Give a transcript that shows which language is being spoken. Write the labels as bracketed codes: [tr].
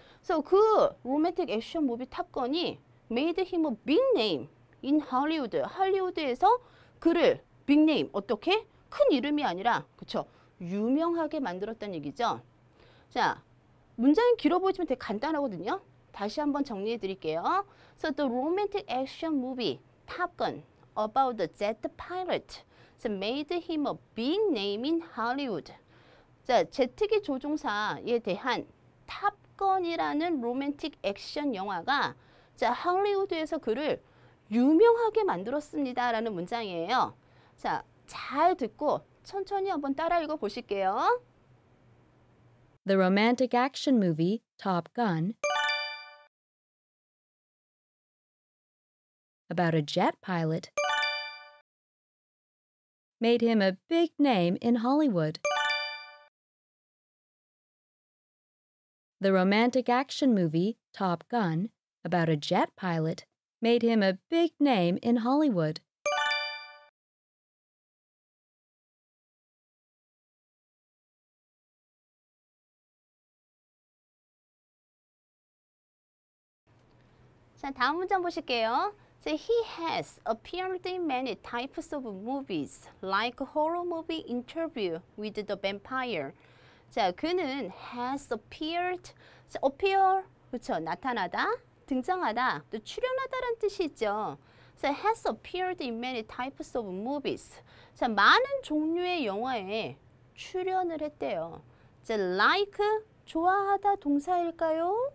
[en] So, [ko] 그 로맨틱 액션 무비 탑건이 [en] made him a big name in Hollywood. [ko] 할리우드에서 그를 [en] big name, [ko] 어떻게? 큰 이름이 아니라, 그쵸? 유명하게 만들었다는 얘기죠. 자, 문장이 길어 보이지만 되게 간단하거든요. 다시 한번 정리해 드릴게요. [en] So the romantic action movie Top Gun about the jet pilot so made him a big name in Hollywood. [ko] 자, 제트기 조종사에 대한 Top Gun이라는 로맨틱 액션 영화가 자, 할리우드에서 그를 유명하게 만들었습니다 라는 문장이에요. 자, 잘 듣고 천천히 한번 따라 읽어 보실게요. [en] The romantic action movie Top Gun about a jet pilot made him a big name in Hollywood. The romantic action movie Top Gun about a jet pilot made him a big name in Hollywood. [ko] 자, 다음 문장 보실게요. [en] So he has appeared in many types of movies like a horror movie Interview with the Vampire. [ko] 자, 그는 [en] has appeared, appear, [ko] 그쵸? 나타나다, 등장하다, 또 출연하다라는 뜻이 있죠. [en] So has appeared in many types of movies. [ko] 자, 많은 종류의 영화에 출연을 했대요. [en] So like [ko] 좋아하다 동사일까요?